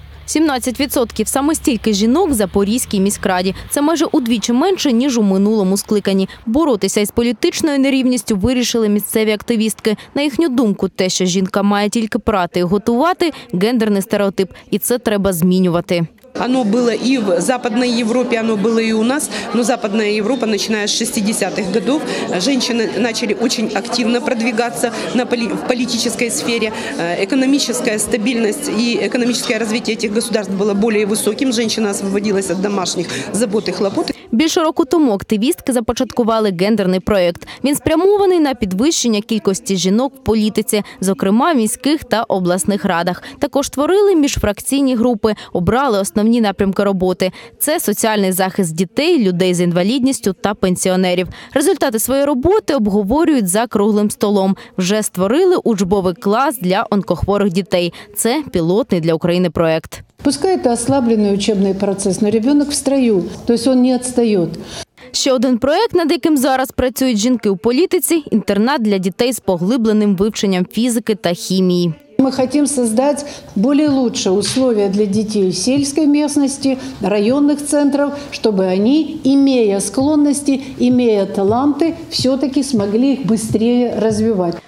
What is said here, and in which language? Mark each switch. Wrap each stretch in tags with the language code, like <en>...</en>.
<uk>17% – саме стільки жінок в Запорізькій міськраді. Це майже удвічі менше, ніж у минулому скликанні. Боротися із політичною нерівністю вирішили місцеві активістки. На їхню думку, те, що жінка має тільки прати і готувати – гендерний стереотип. І це треба змінювати.</uk> <ru>Оно было и в Западной Европе, оно было и у нас, но Западная Европа, начиная с 60-х годов, женщины начали очень активно продвигаться в политической сфере. Экономическая стабильность и экономическое развитие этих государств было более высоким, женщина освободилась от домашних забот и хлопот.</ru> <uk>Більше року тому активістки започаткували гендерний проєкт. Він спрямований на підвищення кількості жінок в політиці, зокрема в міських та обласних радах. Також створили міжфракційні групи, обрали основні напрямки роботи. Це соціальний захист дітей, людей з інвалідністю та пенсіонерів. Результати своєї роботи обговорюють за круглим столом. Вже створили учбовий клас для онкохворих дітей. Це пілотний для України проєкт.</uk> <ru>Пускай это ослабленный учебный процесс, но ребенок в строю, то есть он не отстает.</ru> <uk>Ще один проект, над яким зараз працюють жінки у політиці – інтернат для дітей з поглибленим вивченням фізики та хімії. Ми хочемо створити більш краще умови для дітей в сільській місті, районних центрах, щоб вони, імея склонності, імея таланти, все-таки змогли їх швидше розвивати.</uk>